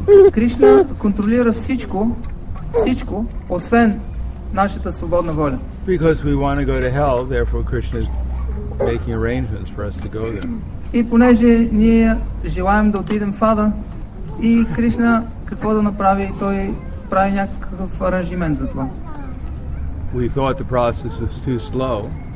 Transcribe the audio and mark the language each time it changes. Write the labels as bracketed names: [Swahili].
[Bulgarian] Krishna контролира всичко, освен нашата свободна воля. [English] Because we want to go to hell, therefore Krishna is making arrangements for us to go there. [Bulgarian] И понеже ние желаем да отидем в ада, и Кришна какво да направи, той прави някакъв аранжимент за това. [English] We thought the process was too slow.